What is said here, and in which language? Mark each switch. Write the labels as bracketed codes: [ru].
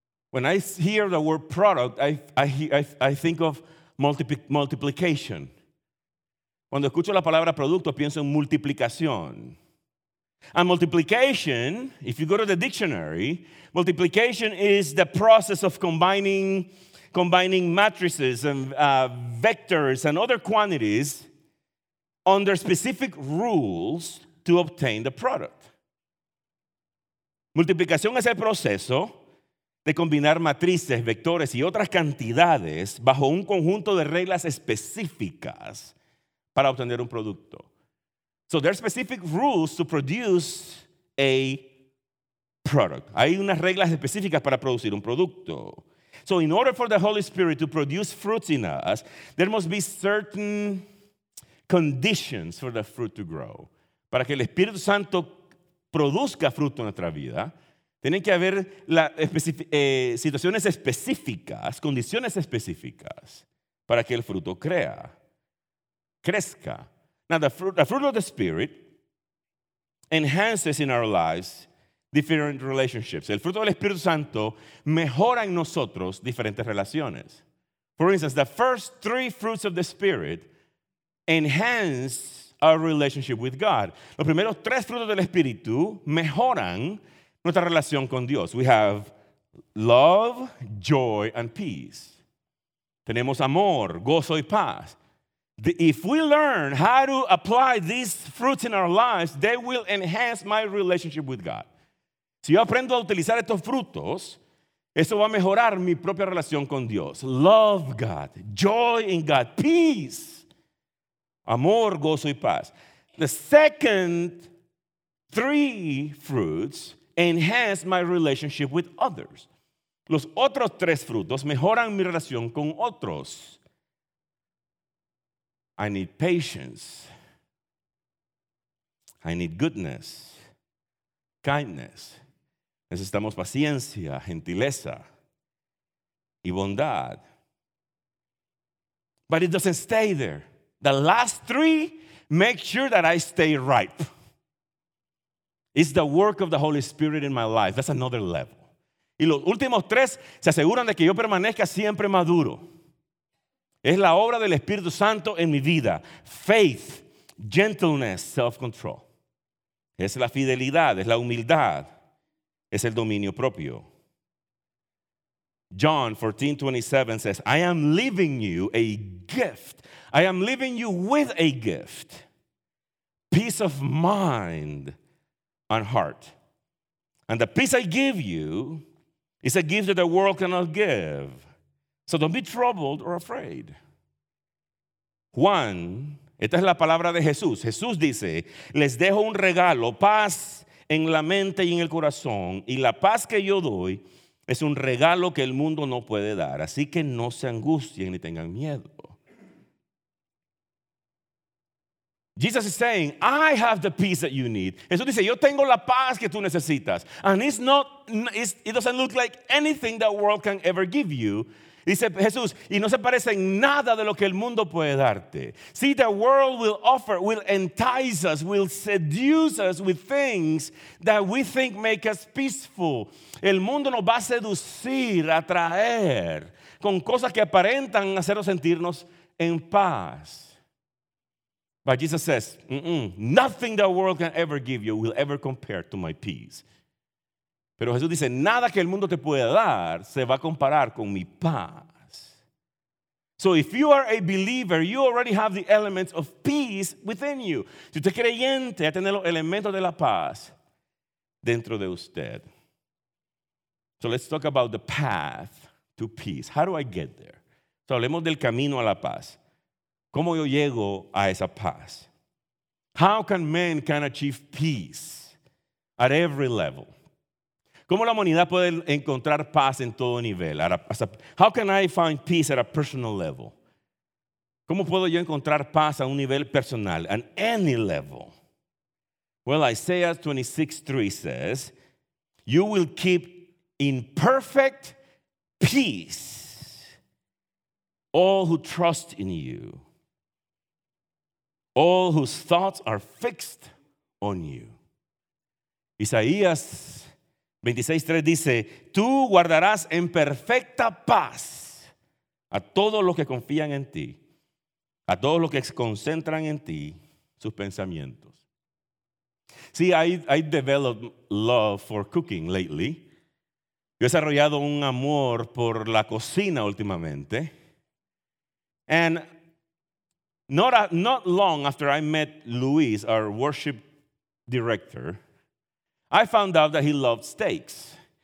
[en] When I hear the word product, I think of multiplication. [es] Cuando escucho la palabra producto, pienso en multiplicación. [en] And multiplication, if you go to the dictionary, multiplication is the process of combining matrices and vectors and other quantities under specific rules to obtain the product. [es] Multiplicación es el proceso de combinar matrices, vectores y otras cantidades bajo un conjunto de reglas específicas para obtener un producto. [en] So there are specific rules to produce a product. [es] Hay unas reglas específicas para producir un producto. [en] So in order for the Holy Spirit to produce fruits in us, there must be certain conditions for the fruit to grow. [es] Para que el Espíritu Santo produzca fruto en nuestra vida, tienen que haber situaciones específicas, condiciones específicas para que el fruto crezca. [en] Now, the fruit of the Spirit enhances in our lives different relationships. [es] El fruto del Espíritu Santo mejora en nosotros diferentes relaciones. [en] For instance, the first three fruits of the Spirit enhance our relationship with God. [es] Los primeros tres frutos del Espíritu mejoran nuestra relación con Dios. [en] We have love, joy, and peace. [es] Tenemos amor, gozo, y paz. [en] If we learn how to apply these fruits in our lives, they will enhance my relationship with God. [es] Si yo aprendo a utilizar estos frutos, eso va a mejorar mi propia relación con Dios. [en] Love God, joy in God, peace, [es] amor, gozo, y paz. [en] The second three fruits enhance my relationship with others. [es] Los otros tres frutos mejoran mi relación con otros. [en] I need patience. I need goodness, kindness. [es] Necesitamos paciencia, gentileza y bondad. [en] But it doesn't stay there. The last three make sure that I stay ripe. It's the work of the Holy Spirit in my life. That's another level. [es] Y los últimos tres se aseguran de que yo permanezca siempre maduro. Es la obra del Espíritu Santo en mi vida. [en] Faith, gentleness, self-control. [es] Es la fidelidad, es la humildad, es el dominio propio. [en] John 14:27 says, I am leaving you a gift. I am leaving you with a gift. Peace of mind and heart. And the peace I give you is a gift that the world cannot give. So don't be troubled or afraid. [es] Juan, esta es la palabra de Jesús. Jesús dice, les dejo un regalo, paz en la mente y en el corazón. Y la paz que yo doy es un regalo que el mundo no puede dar. Así que no se angustien ni tengan miedo. [en] Jesus is saying, I have the peace that you need. [es] Jesús dice, yo tengo la paz que tú necesitas. [en] And it doesn't look like anything that world can ever give you. [es] Dice Jesús, y no se parece en nada de lo que el mundo puede darte. [en] See, the world will offer, will entice us, will seduce us with things that we think make us peaceful. [es] El mundo nos va a seducir, atraer, con cosas que aparentan hacernos sentirnos en paz. [en] But Jesus says, nothing the world can ever give you will ever compare to my peace. [es] Pero Jesús dice, nada que el mundo te pueda dar se va a comparar con mi paz. [en] So if you are a believer, you already have the elements of peace within you. [es] Si usted es creyente, ya tiene los elementos de la paz dentro de usted. [en] So let's talk about the path to peace. How do I get there? [es] So hablemos del camino a la paz. ¿Cómo yo llego a esa paz? [en] How can men can achieve peace at every level? [es] ¿Cómo la humanidad puede encontrar paz en todo nivel? [en] How can I find peace at a personal level? [es] ¿Cómo puedo yo encontrar paz a un nivel personal, [en] at any level? Well, Isaiah 26:3 says, you will keep in perfect peace all who trust in you, all whose thoughts are fixed on you. [es] Isaías 26:3 dice, tú guardarás en perfecta paz a todos los que confían en ti, a todos los que concentran en ti sus pensamientos. [en] See, I developed love for cooking lately. [es] Yo he desarrollado un amor por la cocina últimamente. [en] And not long after I met Luis, our worship director, I found out that he loved steaks.